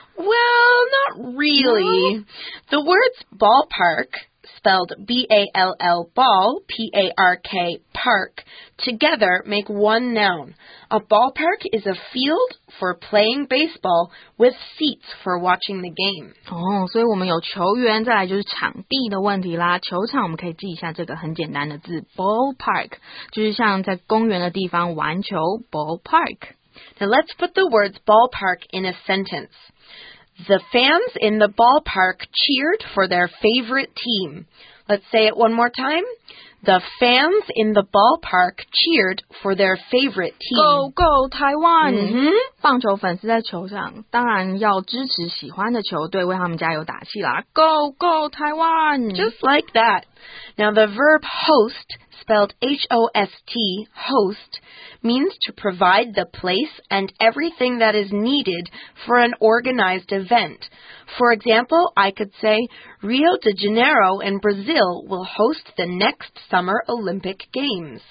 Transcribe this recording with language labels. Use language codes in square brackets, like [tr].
[en] Well, not really. No. The words ballpark, spelled B-A-L-L, ball, P-A-R-K, park, together make one noun. A ballpark is a field for playing baseball with seats for watching the game. [zh] 哦，所以我们有球员，再来就是场地的问题啦。球场我们可以记一下这个很简单的字 ,ballpark, 就是像在公园的地方玩球 ,ballpark. [en] Now let's put the words ballpark in a sentence. The fans in the ballpark cheered for their favorite team. Let's say it one more time. The fans in the ballpark cheered for their favorite team. Go, go, Taiwan!、 Mm-hmm. [zh] 棒球粉丝在球场当然要支持喜欢的球队为他们加油打气啦。 [en] Go, go, Taiwan! Just like that. Now the verb host, spelled H-O-S-T, host,means to provide the place and everything that is needed for an organized event. For example, I could say, Rio de Janeiro in Brazil will host the next Summer Olympic Games.